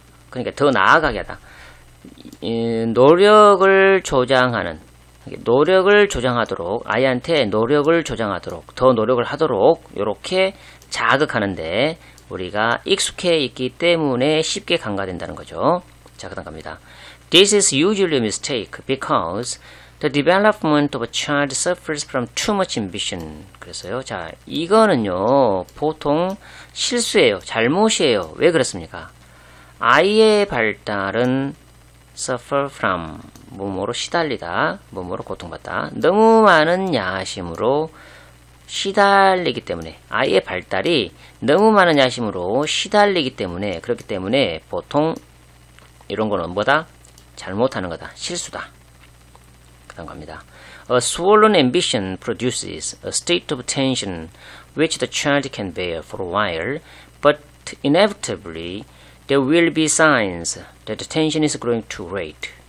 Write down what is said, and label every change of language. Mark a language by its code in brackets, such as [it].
[ko] 그러니까 더 나아가게 하다. 노력을 조장하는, 노력을 조장하도록, 아이한테 노력을 조장하도록, 더 노력을 하도록 이렇게 자극하는데 우리가 익숙해 있기 때문에 쉽게 간과된다는 거죠. 자, 그 다음 갑니다. [en] This is usually a mistake because the development of a child suffers from too much ambition. [ko] 그랬어요. 자, 이거는요, 보통 실수예요. 잘못이에요. 왜 그렇습니까? 아이의 발달은 suffer from, 몸으로 시달리다, 몸으로 고통받다. 너무 많은 야심으로 시달리기 때문에, 아이의 발달이 너무 많은 야심으로 시달리기 때문에, 그렇기 때문에 보통 이런 거는 뭐다? 잘못하는 거다. 실수다. 그 다음 갑니다. [en] A swollen ambition produces a state of tension which the child can bear for a while, but inevitably there will be signs that the tension is growing too great.